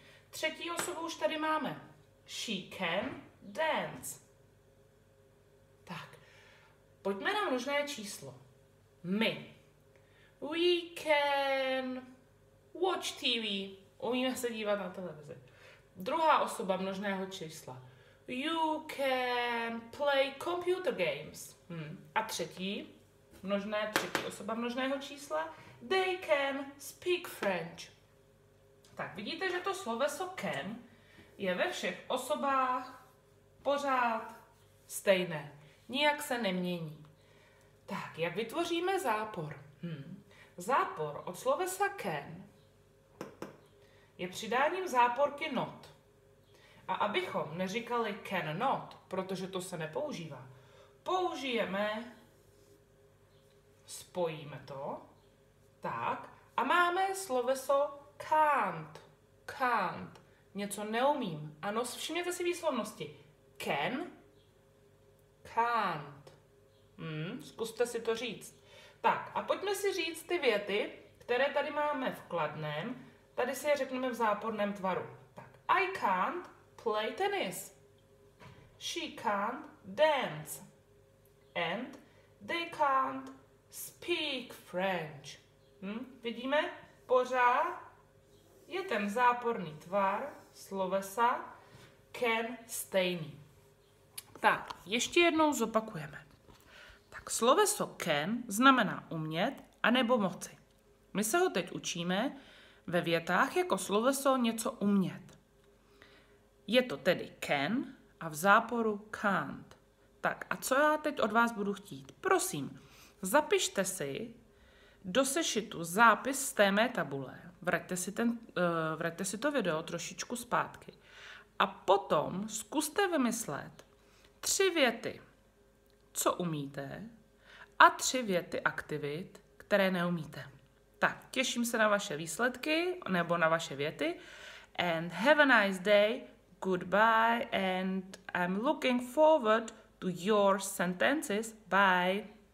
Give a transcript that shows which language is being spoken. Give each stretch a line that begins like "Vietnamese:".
Czech: Třetí osobu už tady máme.
English: She can dance.
Czech: Tak, pojďme na množné číslo. My.
English: We can watch TV.
Czech: Umíme se dívat na televizi. Druhá osoba množného čísla.
English: You can play computer games.
Czech: A třetí. Množné třetí osoba množného čísla.
English: They can speak French.
Czech: Tak vidíte, že to sloveso can je ve všech osobách pořád stejné. Nijak se nemění. Tak, jak vytvoříme zápor? Zápor od slovesa can je přidáním záporky not. A abychom neříkali can not, protože to se nepoužívá, použijeme... Spojíme to, tak, a máme sloveso can't, can't, něco neumím. Ano, všimněte si výslovnosti, can, can't, zkuste si to říct. Tak, a pojďme si říct ty věty, které tady máme v kladném, tady si je řekneme v záporném tvaru.
English: Tak, I can't play tennis, she can't dance, and they can't speak French.
Czech: Vidíme? Pořád je ten záporný tvar slovesa can stejný. Tak, ještě jednou zopakujeme. Tak sloveso can znamená umět anebo moci. My se ho teď učíme ve větách jako sloveso něco umět. Je to tedy can a v záporu can't. Tak, a co já teď od vás budu chtít? Prosím, zapište si do sešitu zápis z té mé tabule. Vraťte si to video trošičku zpátky. A potom zkuste vymyslet tři věty, co umíte, a tři věty aktivit, které neumíte. Tak, těším se na vaše výsledky, nebo na vaše věty.
English: And have a nice day, goodbye, and I'm looking forward to your sentences. Bye.